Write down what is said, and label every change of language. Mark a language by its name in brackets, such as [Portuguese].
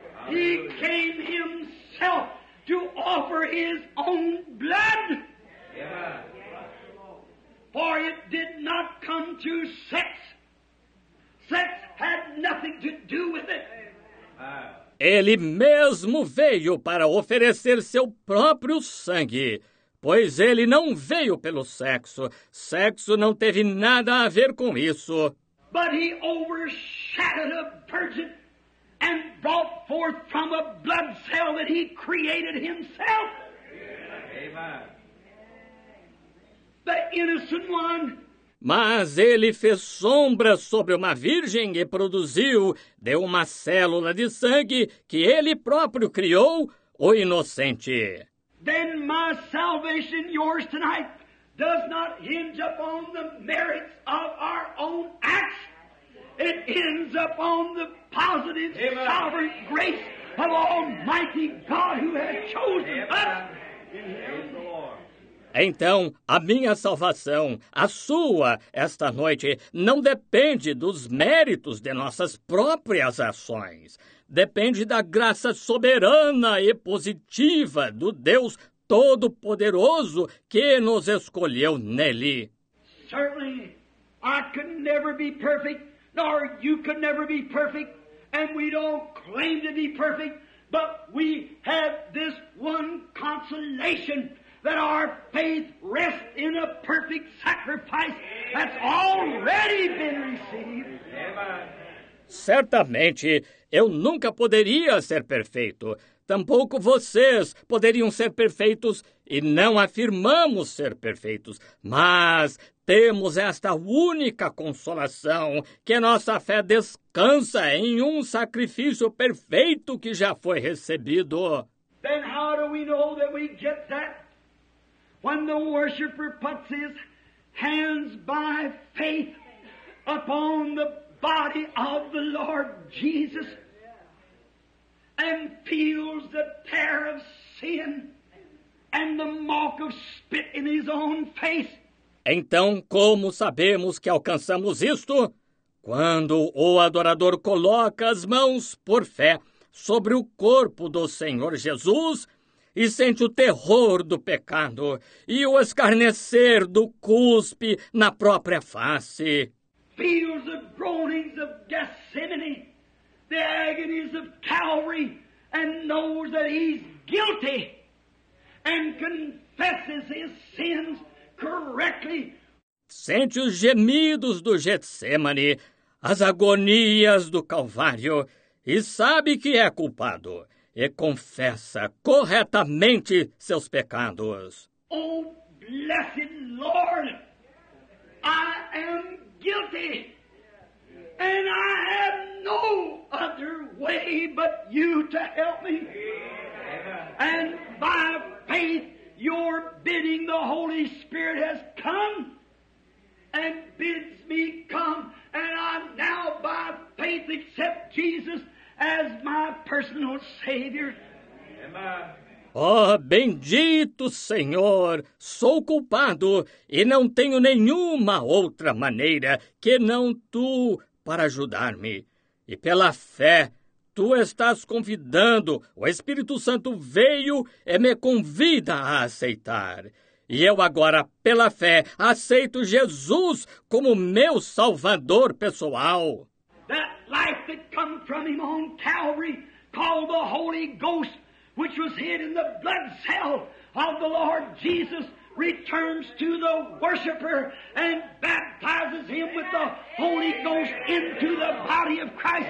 [English] He came himself to offer his own blood. For it did not come to sex. Sex had nothing to do with it. [Portuguese] Ele mesmo veio para oferecer seu próprio sangue, pois ele não veio pelo sexo. Sexo não teve nada a ver com isso. [English] But he overshadowed a virgin and brought forth from a blood cell that he created himself. Amen. The innocent one. [Portuguese] Mas ele fez sombra sobre uma virgem e produziu, de uma célula de sangue que ele próprio criou, o inocente. [English] Then my salvation, yours tonight, does not hinge upon the merits of our own acts. It hinges upon the positive, Amen. Sovereign grace of Almighty God who has chosen Amen. Us. [Portuguese] Então, a minha salvação, a sua, esta noite, não depende dos méritos de nossas próprias ações. Depende da graça soberana e positiva do Deus Todo-Poderoso que nos escolheu nele. [English] Certainly, I could never be perfect, nor you could never be perfect, and we don't claim to be perfect, but we have this one consolation, that our faith rests in a perfect sacrifice that's already been received. [Portuguese] Certamente, eu nunca poderia ser perfeito. Tampouco vocês poderiam ser perfeitos, e não afirmamos ser perfeitos. Mas temos esta única consolação, que nossa fé descansa em um sacrifício perfeito que já foi recebido. [English] Then how do we know that we get that? When the worshiper puts his hands by faith upon the body of the Lord Jesus and feels the tear of sin and the mock of spit in his own face. [Portuguese] Então, como sabemos que alcançamos isto? Quando o adorador coloca as mãos por fé sobre o corpo do Senhor Jesus e sente o terror do pecado e o escarnecer do cuspe na própria face. [English] Feels the groanings of Gethsemane, the agonies of Calvary, and knows that he's guilty and confesses his sins correctly. [Portuguese] Sente os gemidos do Getsemane, as agonias do Calvário, e sabe que é culpado, e confessa corretamente seus pecados. [English] Oh, blessed Lord, I am guilty, and I have no other way but you to help me. And by faith, your bidding, the Holy Spirit has come and bids me come, and I now by faith accept Jesus as my personal Savior. [Portuguese] Oh, bendito Senhor, sou culpado e não tenho nenhuma outra maneira que não tu para ajudar-me. E pela fé, tu estás convidando, o Espírito Santo veio e me convida a aceitar. E eu agora, pela fé, aceito Jesus como meu Salvador pessoal. [English] That life that come from him on Calvary, called the Holy Ghost, which was hid in the blood cell of the Lord Jesus, returns to the worshiper and baptizes him with the Holy Ghost into the body of Christ.